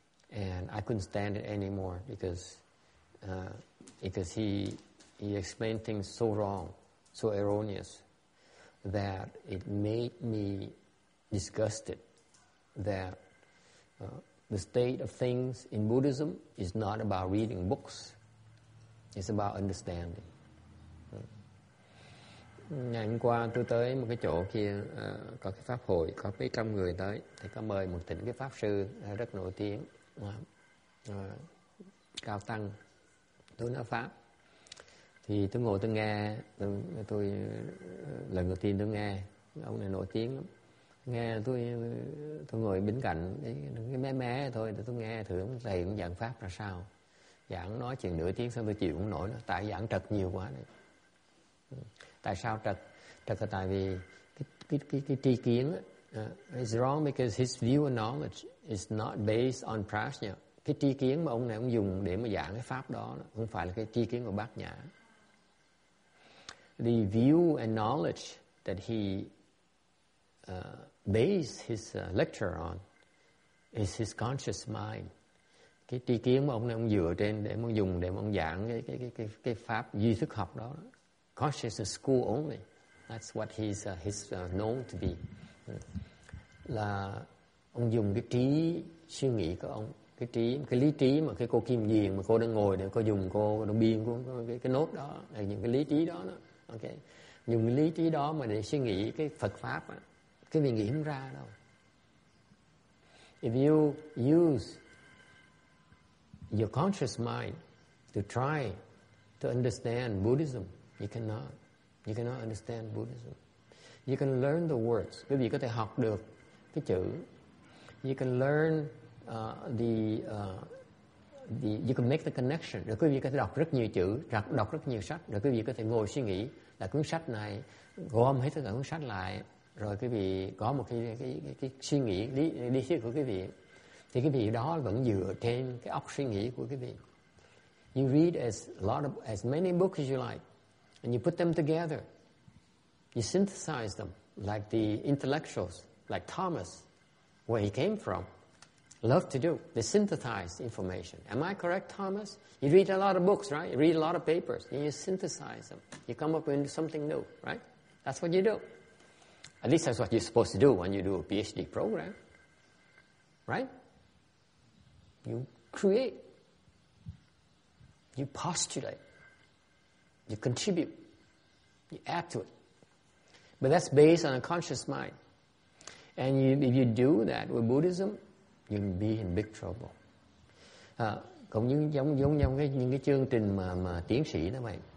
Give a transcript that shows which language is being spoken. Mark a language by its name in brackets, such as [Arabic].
[English] And I couldn't stand it anymore because he explained things so wrong, so erroneous, that it made me disgusted that the state of things in Buddhism is not about reading books. It's about understanding. [Vietnamese] Ngày hôm qua tôi tới một cái chỗ kia có cái pháp hội, có mấy trăm người tới, thì có mời một tỉnh cái pháp sư rất nổi tiếng, cao tăng, tôi nói pháp. Thì tôi ngồi tôi nghe, tôi lần đầu tiên tôi nghe, ông này nổi tiếng lắm. Nghe tôi ngồi bên cạnh cái mé mé thôi, để tôi nghe thử ông thầy cũng giảng pháp ra sao. Giảng nói chuyện nửa tiếng xong tôi chịu không nổi nữa, tại giảng trật nhiều quá này. Tại sao trật? Trật là tại vì cái tri kiến is [English] wrong because his view of knowledge is not based on prajna. [Vietnamese] Cái tri kiến mà ông này ông dùng để mà giảng cái pháp đó không phải là cái tri kiến của Bát Nhã. [English] The view and knowledge that he based his lecture on is his conscious mind. [Vietnamese] Cái tri kiến mà ông này ông dựa trên để mà dùng để mà ông giảng cái pháp duy thức học đó. [English] Consciousness school only. That's what he's known to be. [Vietnamese] Là ông dùng cái trí suy nghĩ của ông, cái trí, cái lý trí mà cái cô Kim Diền mà cô đang ngồi để cô dùng cô đồng biên của cái nốt đó, những cái lý trí đó đó. Ok, dùng cái lý trí đó mà để suy nghĩ cái Phật pháp á, cái gì nghĩ không ra đâu. [English] If you use your conscious mind to try to understand Buddhism, you cannot understand Buddhism. You can learn the words, [Vietnamese] quý vị có thể học được cái chữ. [English] You can learn the you can make the connection. [Vietnamese] Rồi quý vị có thể đọc rất nhiều chữ, đọc rất nhiều sách. Rồi quý vị có thể ngồi suy nghĩ là cuốn sách này, gom hết tất cả cuốn sách lại, rồi quý vị có một cái suy nghĩ lý thuyết của quý vị, thì quý vị đó vẫn dựa trên cái óc suy nghĩ của quý vị. [English] You read as many books as you like, and you put them together. You synthesize them, like the intellectuals, like Thomas, where he came from, love to do. They synthesize information. Am I correct, Thomas? You read a lot of books, right? You read a lot of papers, and you synthesize them. You come up with something new, right? That's what you do. At least that's what you're supposed to do when you do a PhD program, right? You create. You postulate. You contribute. You add to it. But that's based on a conscious mind. And if you do that with Buddhism, you'll be in big trouble. [Vietnamese] Cũng như giống như những cái chương trình mà tiến sĩ đó vậy.